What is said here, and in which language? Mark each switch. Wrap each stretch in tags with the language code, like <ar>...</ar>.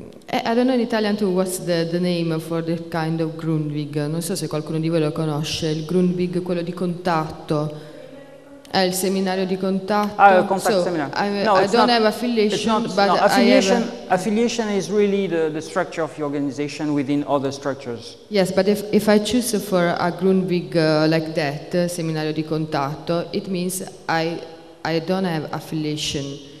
<en>I don't know in Italian too, what's the name for the kind of Grundbuch.</en> <it>Non so se qualcuno di voi lo conosce. Il Grundbuch, quello di contatto. È il seminario di contatto.</it> <en>Ah, contact seminar. I don't have affiliation. Affiliation is really the structure of your organization within other structures. Yes, but if I choose for a Grundbuch like that,</en> <it>seminario di contatto,</it> <en>it means I don't have affiliation.</en>